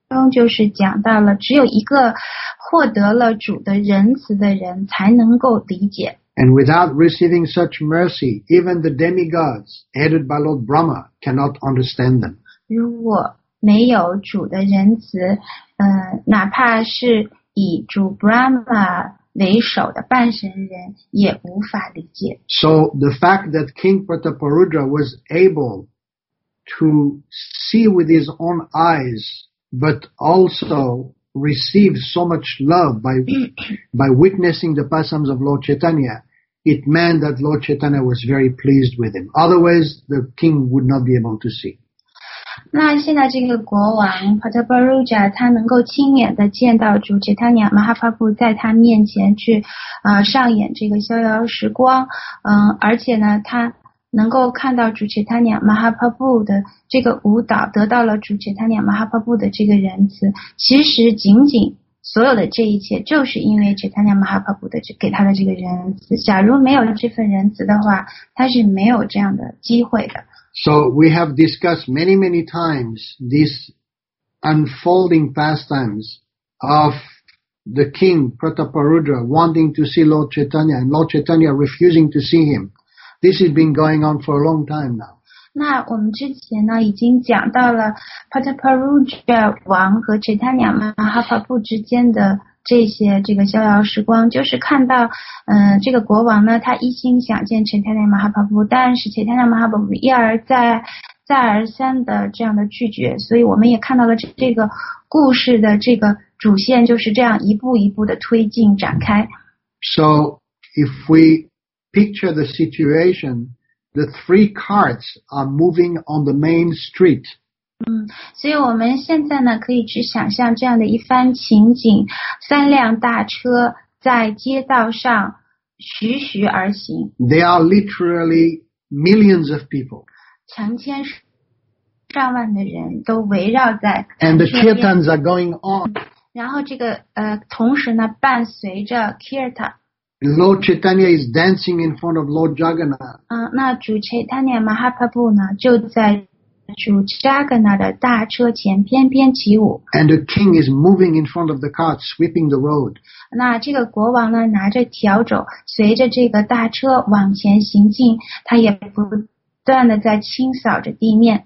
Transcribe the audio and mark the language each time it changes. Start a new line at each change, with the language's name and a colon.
Chinese: 就是讲到了只有一个获得了主的仁慈的人才能够理解。
English: And without receiving such mercy, even the demigods, headed by Lord Brahma, cannot understand them.
Chinese: 如果没有主的仁慈，哪怕是以主 Brahma 为首的半神人也无法理解。
English: So the fact that King Prataparudra was able to see with his own eyes. But also receive so much love by witnessing the pasams of Lord Chaitanya, it meant that Lord Chaitanya was very pleased with him. Otherwise, the king would not be able to see.
Chinese: 那现在这个国王 Prataparudra 他能够亲眼的见到主 Chaitanya Mahaprabhu 在他面前去上演这个逍遥时光，而且呢他。能够看到主切塔尼亚马哈帕布的这个舞蹈得到了主切塔尼亚马哈帕布的这个仁慈其实仅仅所有的这一切就是因为切塔尼亚马哈帕布的给他的这个仁慈假如没有这份仁慈的话他是没有这样的机会的
English: So we have discussed many many times these unfolding pastimes of the king Prataparudra wanting to see Lord Chaitanya and Lord Chaitanya refusing to see himThis has been going on for a long time now.
Chinese: 那我们之前呢已经讲到了 Prataparudra 王和 Chaitanya Mahaprabhu 之间的这些这个逍遥时光就是看到这个国王呢他一心想见 Chaitanya Mahaprabhu 但是 Chaitanya Mahaprabhu 一而再再而三的这样的拒绝所以我们也看到了这个故事的这个主线就是这样一步一步的推进展开。
English: So, if we... Picture the situation, the three carts are moving on the main street.
Chinese: 所以我们现在呢可以去想象这样的一番情景三辆大车在街道上徐徐而行。
English: There are literally millions of people.
Chinese: 成千上万的人都围绕在。
English: And the kirtans are going on.
Chinese: 然后这个同时呢伴随着 kirtan.
English: Lord Chaitanya is dancing in front of Lord Jagannath.
Chinese: 那主 Chaitanya Mahaprabhu 呢就在主 Jagannath 的大车前翩翩起舞。
English: And the king is moving in front of the cart, sweeping the road.
Chinese: 那这个国王呢拿着笤帚随着这个大车往前行进他也不断地在清扫着地面。